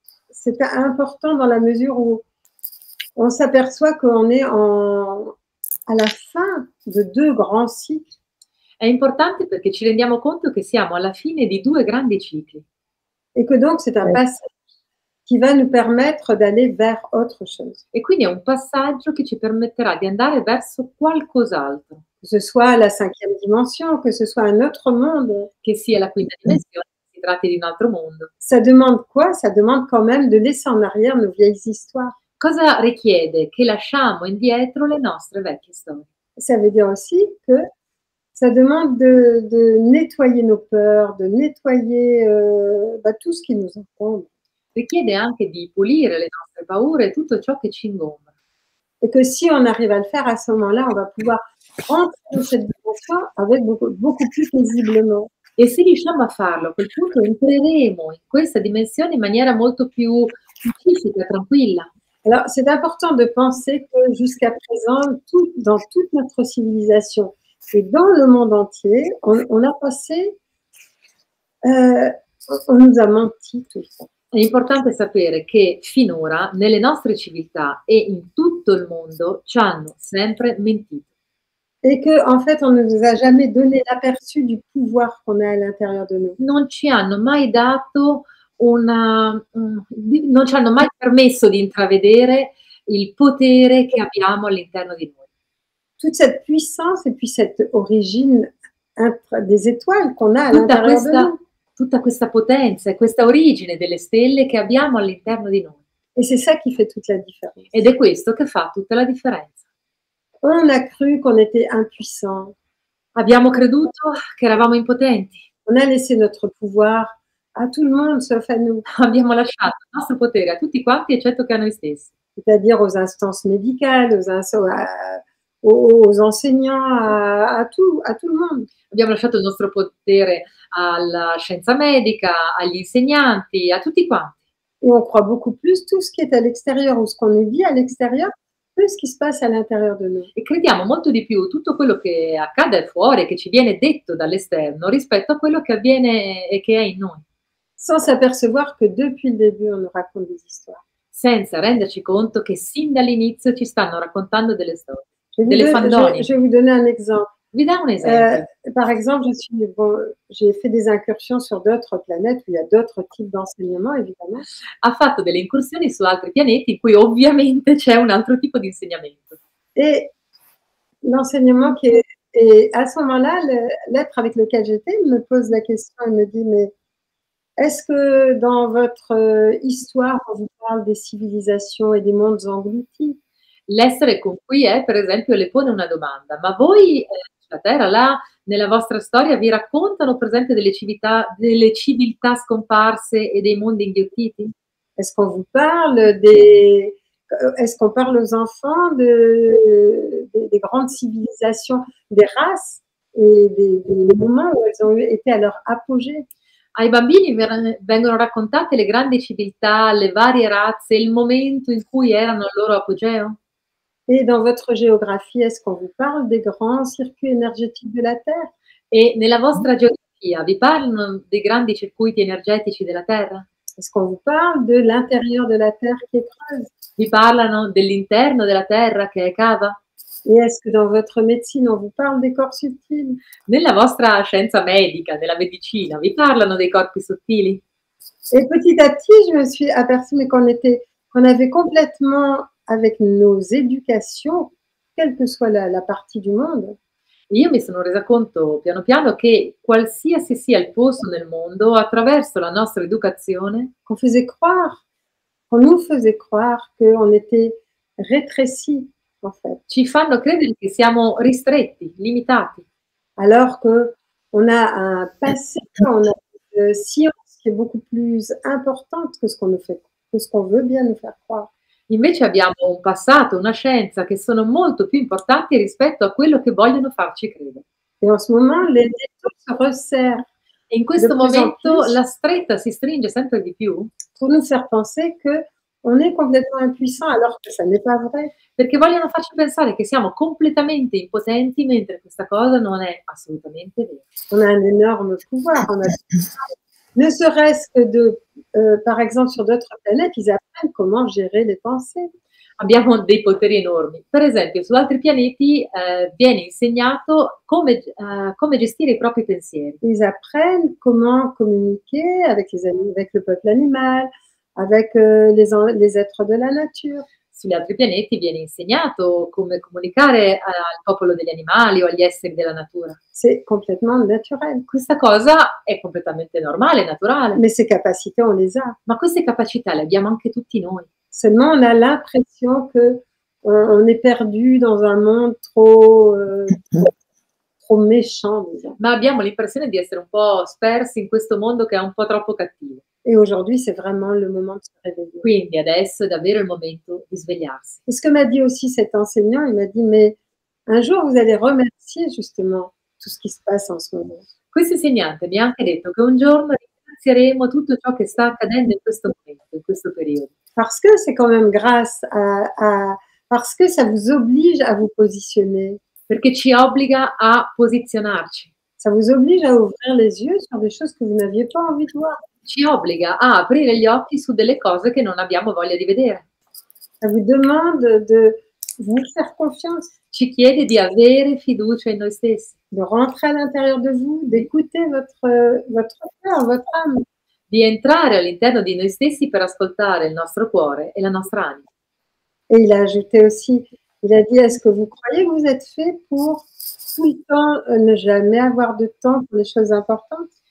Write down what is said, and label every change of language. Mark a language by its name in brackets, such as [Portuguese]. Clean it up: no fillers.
[French] C'est important dans la mesure où on s'aperçoit qu'on est à la fin de deux grands cycles. [Italian] È importante perché ci rendiamo conto che siamo alla fine di due grandi cicli. [French] Et que donc c'est un passage qui va nous permettre d'aller vers autre chose. [Italian] E quindi è un passaggio che ci permetterà di andare verso qualcos'altro. [French] Que ce soit la cinquième dimension, que ce soit un autre monde. [Italian] Che sia la quinta dimensione. Tratti di un altro mondo. [French] Ça demande quoi? Ça demande quand même de laisser en arrière nos vieilles histoires. [Italian] Cosa richiede? Che lasciamo indietro le nostre vecchie storie. [French] Ça veut dire aussi que ça demande de nettoyer nos peurs, de nettoyer tout ce qui nous encombre. [Italian] Richiede anche di pulire le nostre paure e tutto ciò che ci ingombra. [French] Et que si on arrive à le faire à ce moment-là, on va pouvoir rentrer dans cette dimension avec beaucoup plus paisiblement. [Italian] E se riusciamo a farlo, a quel punto entreremo in questa dimensione in maniera molto più pacifica, tranquilla. [French] Alors, c'est important de penser que jusqu'à présent, dans toute notre civilisation et dans le monde entier, on a passé, on nous a menti tout ça. [Italian] È importante sapere che finora, nelle nostre civiltà e in tutto il mondo, ci hanno sempre mentito. [French] Et que en fait on ne nous a jamais donné l'aperçu du pouvoir qu'on a à l'intérieur de nous. [Italian] Non ci hanno mai dato non ci hanno mai permesso di intravedere il potere che abbiamo all'interno di noi. [French] Toute cette puissance et puis cette origine des étoiles qu'on a à l'intérieur [Italian] questa, [French] de nous. [Italian] Tutta questa potenza e questa origine delle stelle che abbiamo all'interno di noi. [French] Et c'est ça qui fait toute la différence. [Italian] Ed è questo che fa tutta la differenza. [French] On a cru qu'on était impuissant. [Italian] Abbiamo creduto che eravamo impotenti. [French] On a laissé notre pouvoir a tout le monde, sauf à nous. [Italian] Abbiamo lasciato il nostro potere a tutti quanti, eccetto che a noi stessi. [French] C'est-à-dire aux instances médicales, aux enseignants, à tout le monde. [Italian] Abbiamo lasciato il nostro potere alla scienza medica, agli insegnanti, a tutti quanti. [French] Et on croit beaucoup plus tout ce qui est à l'extérieur ou ce qu'on nous dit à l'extérieur que ce qui se passe à l'intérieur de nous. [Italian] E crediamo molto di più tutto quello che accade fuori, che ci viene detto dall'esterno, rispetto a quello che avviene e che è in noi. [French] Sans s'apercevoir que depuis le début on nous raconte des histoires. [Italian] Senza renderci conto che sin dall'inizio ci stanno raccontando delle storie, delle fandonie. [French] Je vais vous donner un exemple. [Italian] Vi dà un esempio. [French] Par exemple, j'ai fait des incursions sur d'autres planètes où il y a d'autres types d'enseignement, évidemment. [Italian] Ha fatto delle incursioni su altri pianeti in cui ovviamente c'è un altro tipo di insegnamento. [French] Et l'enseignement qui est, à ce moment-là, l'être avec lequel j'étais me pose la question et me dit, mais est-ce que dans votre histoire, on vous parle des civilisations et des mondes engloutis? [Italian] L'essere con cui è, per esempio, le pone una domanda. Ma voi, la Terra, là, nella vostra storia, vi raccontano, per esempio, delle civiltà scomparse e dei mondi inghiottiti? [French] Est-ce qu'on vous parle est-ce qu'on parle aux enfants de grandes civilizations, des races [Italian] e dei [French] moments où elles ont été à leur apogée? [Italian] Ai bambini vengono raccontate le grandi civiltà, le varie razze, il momento in cui erano al loro apogeo? [French] E dans votre géographie, est-ce qu'on vous parle des grands circuits énergétiques de la Terre? [Italian] E nella vostra geografia vi parlano dei grandi circuiti energetici della Terra? [French] Est-ce qu'on vous parle de l'intérieur de la Terre qui est creuse? [Italian] Vi parlano dell'interno della Terra che è cava? [French] Et est-ce que dans votre médecine, on vous parle des corps subtils? [Italian] Nella vostra scienza medica, nella medicina, vi parlano dei corpi sottili? [French] Et petit à petit, je me suis aperçue qu'on avait complètement, avec nos éducations, quelle que soit la partie du monde. [Italian] Io mi sono resa conto, piano piano, che qualsiasi sia il posto nel mondo, attraverso la nostra educazione, [French] qu'on nous faisait croire qu'on était rétréci. En fait. [Italian] Ci fanno credere che siamo ristretti, limitati. [French] Alors que on a un passé, on a une science qui est beaucoup plus importante que ce qu'on veut bien nous faire croire. [Italian] Invece abbiamo un passato, una scienza che sono molto più importanti rispetto a quello che vogliono farci credere. [French] Et en ce moment, les étoiles se resserrent. [Italian] E in questo momento la stretta si stringe sempre di più. [French] Pour nous faire penser que on est complètement impuissant alors que ça n'est pas vrai. [Italian] Perché vogliono farci pensare che siamo completamente impotenti, mentre questa cosa non è assolutamente vera. [French] On a un énorme pouvoir, ne serait-ce que de par exemple sur d'autres planètes, ils apprennent comment gérer les pensées. [Italian] Abbiamo dei poteri enormi. Per esempio, su altri pianeti viene insegnato come gestire i propri pensieri. [French] Ils apprennent comment communiquer avec le peuple animal, avec les êtres de la nature. [Italian] Sugli altri pianeti viene insegnato come comunicare al popolo degli animali o agli esseri della natura. [French] C'est complètement naturel. [Italian] Questa cosa è completamente normale, naturale. [French] Mais ces capacités, on les a. [Italian] Ma queste capacità le abbiamo anche tutti noi. [French] Seulement on a l'impression que on est perdu dans un monde trop méchant. [Italian] Ma abbiamo l'impressione di essere un po' spersi in questo mondo che è un po' troppo cattivo. [French] Et aujourd'hui, c'est vraiment le moment de se réveiller. [Italian] Quindi adesso è davvero il momento di svegliarsi. [French] Et ce que m'a dit aussi cet enseignant, il m'a dit, mais un jour vous allez remercier justement tout ce qui se passe en ce moment. [Italian] Questo insegnante mi ha anche detto che un giorno ringrazieremo tutto ciò che sta accadendo in questo momento, in questo periodo. [French] Parce que c'est quand même grâce à parce que ça vous oblige à vous positionner. [Italian] Perché ci obbliga a posizionarci. [French] Ça vous oblige à ouvrir les yeux sur des choses que vous n'aviez pas envie de voir. [Italian] Ci obbliga a aprire gli occhi su delle cose che non abbiamo voglia di vedere. [French] Ça vous demande de vous faire confiance. [Italian] Ci chiede di avere fiducia in noi stessi. [French] De rentrer à l'intérieur de vous, d'écouter votre cœur, votre âme. [Italian] Di entrare all'interno di noi stessi per ascoltare il nostro cuore e la nostra anima. [French] E il a [Italian] aggiunto [French] aussi, il a dit, est-ce que vous croyez que vous êtes fait pour tout le temps ne jamais avoir de temps pour les choses importantes?